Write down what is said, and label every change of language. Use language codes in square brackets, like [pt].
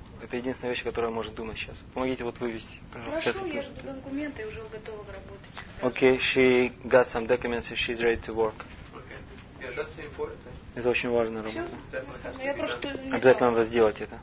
[ru] Это единственная вещь, о которой я могу думать сейчас. Помогите вот вывести. Хорошо, сейчас я жду документы, уже готова к работе. [en] Okay, she got some documents and she's ready to work. Okay. Yeah, that's important. [ru] Это очень важная работа. Я просто обязательно надо сделать это.